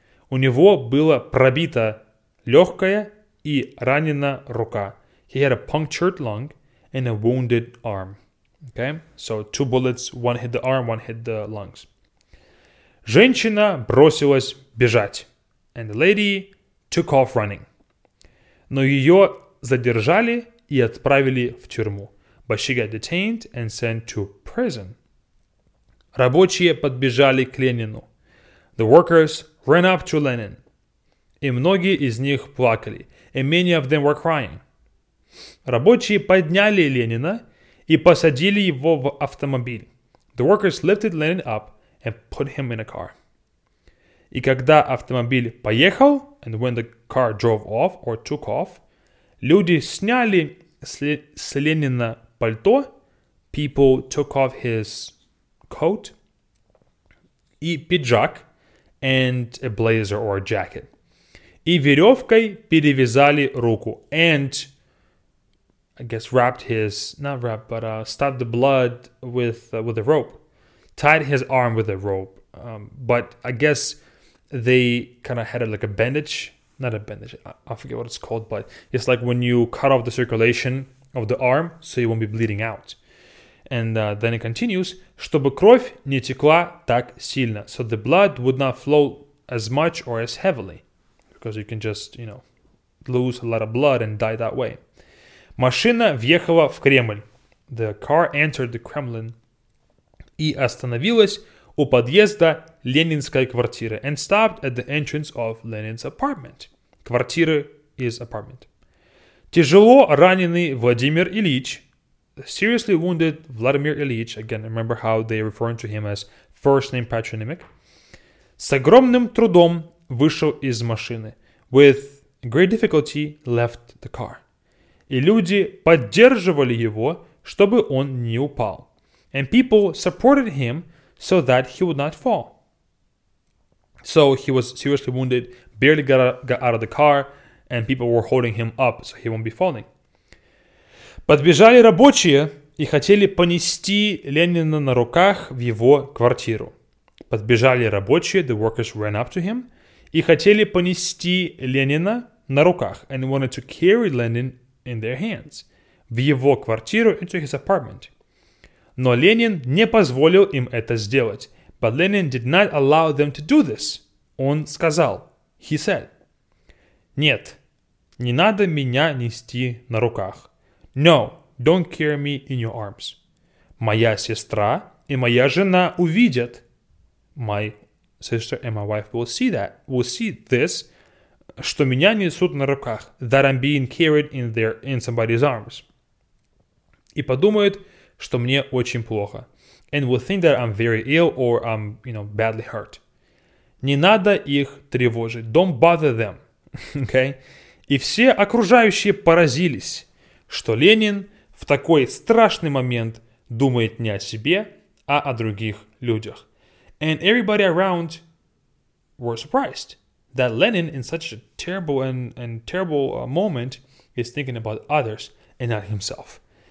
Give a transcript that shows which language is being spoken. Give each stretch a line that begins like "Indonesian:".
Russian: У него было пробито легкое и ранена рука.
English: He had a punctured lung and a wounded arm. Okay, so two bullets, one hit the arm, one hit the lungs.
Russian: Женщина бросилась бежать,
English: and the lady took off running.
Russian: Но ее задержали и отправили в тюрьму.
English: But she got detained and sent to prison.
Russian: Рабочие подбежали к Ленину.
English: The workers ran up to Lenin.
Russian: И многие из них плакали.
English: And many of them were crying.
Russian: Рабочие подняли Ленина и посадили его в автомобиль.
English: The workers lifted Lenin up and put him in a car.
Russian: И когда автомобиль поехал,
English: and when the car drove off or took off,
Russian: люди сняли с Ленина пальто,
English: people took off his coat,
Russian: и пиджак,
English: and a blazer or a jacket,
Russian: и веревкой перевязали руку,
English: and I guess stopped the blood with a rope, tied his arm with a rope, but I guess they kind of had it like a bandage. Not a bandage. I forget what it's called, but it's like when you cut off the circulation of the arm so you won't be bleeding out. And then it continues,
Russian: чтобы кровь не текла так сильно.
English: So the blood would not flow as much or as heavily. Because you can just, lose a lot of blood and die that way.
Russian: Машина въехала в Кремль.
English: The car entered the Kremlin.
Russian: И остановилась у подъезда Ленинской квартиры.
English: And stopped at the entrance of Lenin's apartment. Квартира is apartment.
Russian: Тяжело раненый Владимир Ильич.
English: Seriously wounded Vladimir Ilyich. Again, remember how they referring to him as first name patronymic.
Russian: С огромным трудом вышел из машины.
English: With great difficulty left the car.
Russian: И люди поддерживали его, чтобы он не упал.
English: And people supported him so that he would not fall. So he was seriously wounded, barely got out of the car, and people were holding him up so he won't be falling.
Russian: Подбежали рабочие и хотели понести Ленина на руках в его квартиру. Подбежали рабочие,
English: the workers ran up to him,
Russian: и хотели понести Ленина на руках,
English: and wanted to carry Lenin in their hands,
Russian: в его квартиру,
English: into his apartment.
Russian: Но Ленин не позволил им это сделать.
English: But Lenin did not allow them to do this.
Russian: Он сказал,
English: he said,
Russian: нет, не надо меня нести на руках.
English: No, don't carry me in your arms.
Russian: Моя сестра и моя жена увидят.
English: My sister and my wife will see this,
Russian: что меня несут на руках.
English: That I'm being carried in somebody's arms.
Russian: И подумают, что мне очень плохо.
English: And will think that I'm very ill or I'm, badly hurt.
Russian: Не надо их тревожить.
English: Don't bother them. Okay?
Russian: И все окружающие поразились, что Ленин в такой страшный момент думает не о себе, а о других людях.
English: And everybody around were surprised that Lenin, in such a terrible and terrible moment, is thinking about others and not himself.